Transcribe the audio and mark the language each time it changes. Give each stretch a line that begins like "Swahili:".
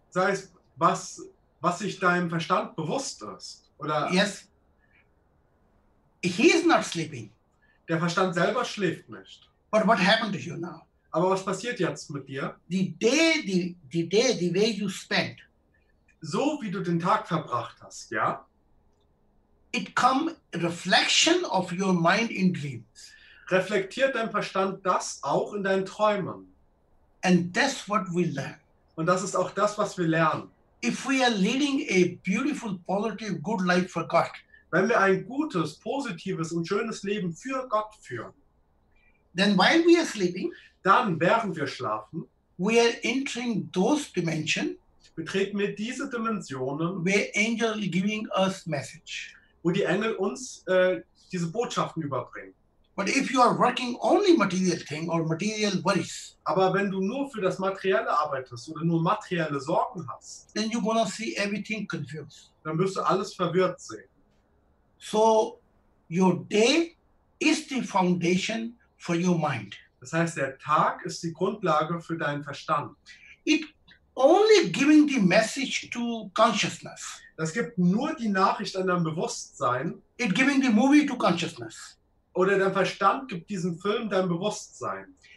German: Das heißt, was sich deinem Verstand bewusst ist, oder?
English: Yes. He is not sleeping.
German: Der Verstand selber schläft nicht.
English: But what happened to you now?
German: Aber was passiert jetzt mit dir?
English: The way you spent.
German: So wie du den Tag verbracht hast, ja?
English: It come reflection of your mind in dreams.
German: Reflektiert dein Verstand das auch in deinen Träumen?
English: And that's what we learn.
German: Und das ist auch das, was wir lernen.
English: If we are leading a beautiful, positive, good life for God.
German: Wenn wir ein gutes, positives und schönes Leben für Gott führen,
English: then while we are sleeping,
German: dann während wir schlafen,
English: we are entering those dimension,
German: betreten wir diese Dimensionen,
English: where angel is giving us message,
German: wo die Engel uns diese Botschaften überbringen.
English: But if you are working only material thing or material worries,
German: aber wenn du nur für das Materielle arbeitest oder nur materielle Sorgen hast,
English: then you're gonna see everything confused.
German: Dann wirst du alles verwirrt sehen.
English: So, your day is the foundation for your mind.
German: Das heißt, der Tag ist die Grundlage für deinen Verstand.
English: It only giving the message to consciousness.
German: Das gibt nur die Nachricht an dein Bewusstsein.
English: It giving the movie to consciousness.
German: Oder dein Verstand gibt diesen Film dein Bewusstsein.